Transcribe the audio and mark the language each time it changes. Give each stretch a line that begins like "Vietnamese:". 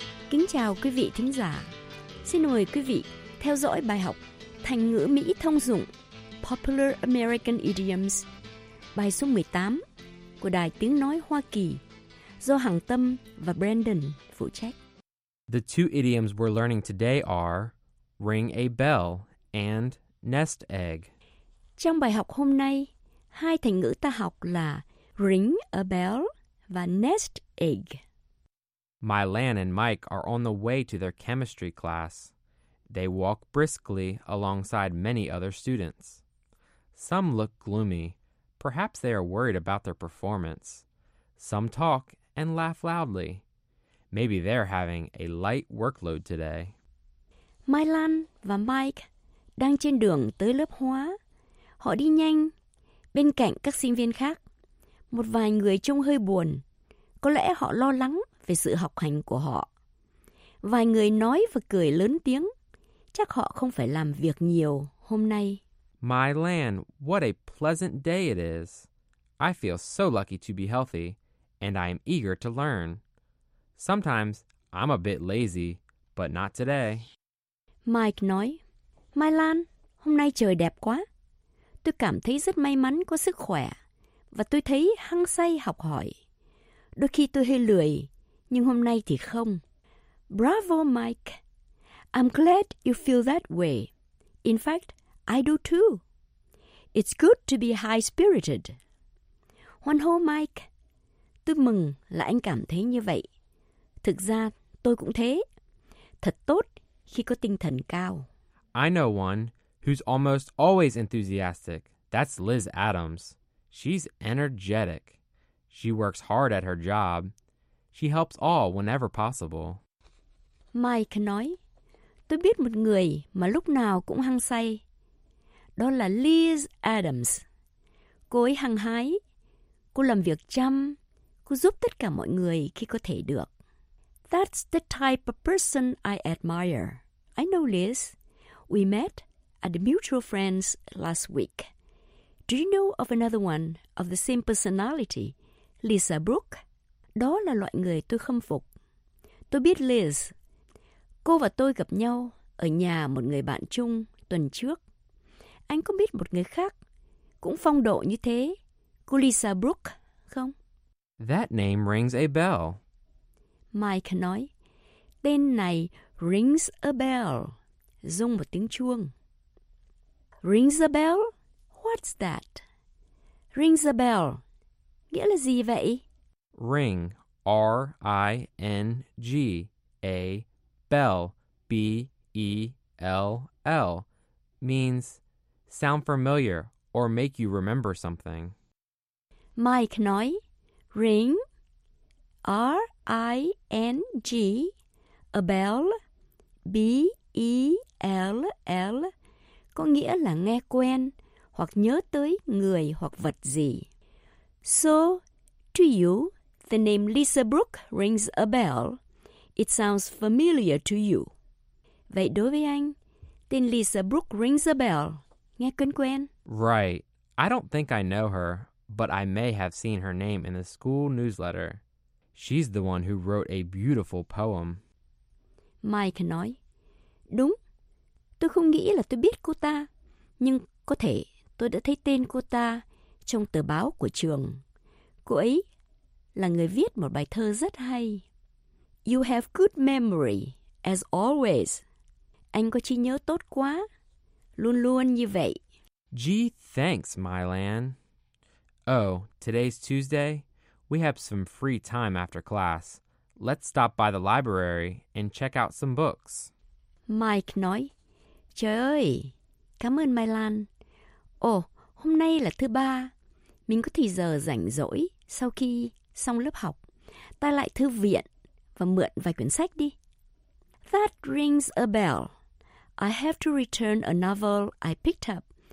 Vietnamese: Kính chào quý vị thính giả. Xin mời quý vị theo dõi bài học thành ngữ Mỹ thông dụng
English: Popular American Idioms,
Vietnamese: bài số 18 của Đài Tiếng Nói Hoa Kỳ, do Hằng Tâm và Brandon phụ trách.
English: The two idioms we're learning today are ring a bell and nest egg.
Vietnamese: Trong bài học hôm nay, hai thành ngữ ta học là ring a bell và nest egg.
English: Mylan and Mike are on the way to their chemistry class. They walk briskly alongside many other students. Some look gloomy. Perhaps they are worried about their performance. Some talk and laugh loudly. Maybe they're having a light workload today.
Vietnamese: Mylan và Mike đang trên đường tới lớp hóa. Họ đi nhanh, bên cạnh các sinh viên khác. Một vài người trông hơi buồn. Có lẽ họ lo lắng về sự học hành của họ. Vài người nói và cười lớn tiếng. Chắc họ không phải làm việc nhiều hôm nay.
English: My land, what a pleasant day it is. I feel so lucky to be healthy, and I am eager to learn. Sometimes I'm a bit lazy, but not today.
Vietnamese: Mike nói, My land, hôm nay trời đẹp quá. Tôi cảm thấy rất may mắn có sức khỏe, và tôi thấy hăng say học hỏi. Đôi khi tôi hơi lười, nhưng hôm nay thì không.
English: Bravo, Mike. I'm glad you feel that way. In fact, I do too. It's good to be high-spirited.
Vietnamese: Hoan hô, Mike. Tôi mừng là anh cảm thấy như vậy. Thực ra, tôi cũng thế. Thật tốt khi có tinh thần cao.
English: I know one who's almost always enthusiastic. That's Liz Adams. She's energetic. She works hard at her job. She helps all whenever possible.
Vietnamese: Mike nói, tôi biết một người mà lúc nào cũng hăng say. Đó là Liz Adams. Cô ấy hăng hái, cô làm việc chăm, cô giúp tất cả mọi người khi có thể được.
English: That's the type of person I admire. I know Liz. We met at the mutual friends last week. Do you know of another one of the same personality, Lisa Brooke?
Vietnamese: Đó là loại người tôi khâm phục. Tôi biết Liz. Cô và tôi gặp nhau ở nhà một người bạn chung tuần trước. Anh có biết một người khác cũng phong độ như thế, cô Lisa Brooke không?
English: That name rings a bell.
Vietnamese: Mike nói, tên này rings a bell, rung một tiếng chuông. Rings a bell?
English: What's that?
Vietnamese: Rings a bell, nghĩa là gì vậy?
English: Ring, R-I-N-G, A, bell, B-E-L-L, means sound familiar or make you remember something.
Vietnamese: Mike nói, ring, R-I-N-G, a bell, B-E-L-L, có nghĩa là nghe quen hoặc nhớ tới người hoặc vật gì.
English: So, to you, the name Lisa Brooke rings a bell. It sounds familiar to you.
Vietnamese: Vậy đối với anh, tên Lisa Brooke rings a bell. Nghe quen quen.
English: Right. I don't think I know her, but I may have seen her name in the school newsletter. She's the one who wrote a beautiful poem.
Vietnamese: Mike nói, đúng. Tôi không nghĩ là tôi biết cô ta, nhưng có thể tôi đã thấy tên cô ta trong tờ báo của trường. Cô ấy là người viết một bài thơ rất hay.
English: You have good memory, as always.
Vietnamese: Anh có trí nhớ tốt quá. Luôn luôn như vậy.
English: Gee, thanks, Mylan. Oh, today's Tuesday. We have some free time after class. Let's stop by the library and check out some books.
Vietnamese: Mike nói, trời ơi, cảm ơn Mylan. Oh, hôm nay là thứ ba. Mình có thời giờ rảnh rỗi sau khi xong lớp học. Ta lại thư viện và mượn vài quyển sách đi.
English: That rings a bell. I have to return a novel I picked up